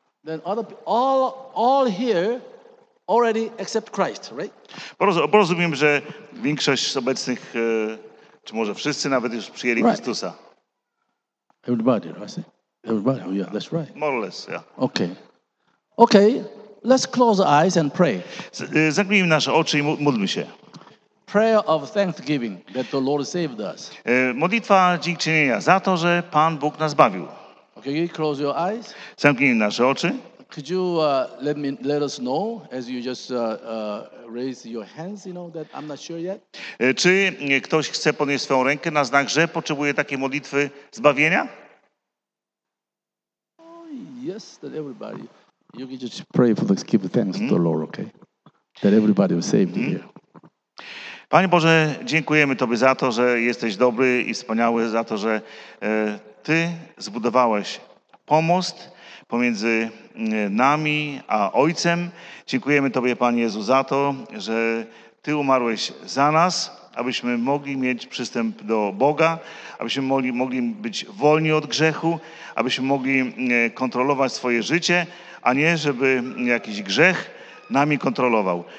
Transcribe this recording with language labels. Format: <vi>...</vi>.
<en>Then all here already accept Christ, right?</en> <pl>Rozumiem, że większość z obecnych, czy może wszyscy nawet już przyjęli</pl> <en>right.</en> <pl>Chrystusa.</pl> <en>Everybody, right? Everybody, oh, yeah, that's right. More or less, yeah. Okay. Okay. Let's close our eyes and pray.</en> <pl>Zamknijmy nasze oczy i módlmy się.</pl> <en>Prayer of thanksgiving that the Lord saved us.</en> <pl>Modlitwa dziękczynienia za to, że Pan Bóg nas zbawił.</pl> <en>Okay, you close your eyes.</en> <pl>Zamknij nasze oczy.</pl> <en>Could you let us know as you just raise your hands, you know that I'm not sure yet?</en> <pl>Czy ktoś chce podnieść swoją rękę na znak, że potrzebuje takiej modlitwy zbawienia?</pl> <en>Oh, yes, that everybody. You can just pray for the give thanks to the Lord, okay? That everybody was saved here.</en> <pl>Panie Boże, dziękujemy Tobie za to, że jesteś dobry i wspaniały, za to, że Ty zbudowałeś pomost pomiędzy nami a Ojcem. Dziękujemy Tobie, Panie Jezu, za to, że Ty umarłeś za nas, abyśmy mogli mieć przystęp do Boga, abyśmy mogli być wolni od grzechu, abyśmy mogli kontrolować swoje życie, a nie żeby jakiś grzech nami kontrolował.</pl>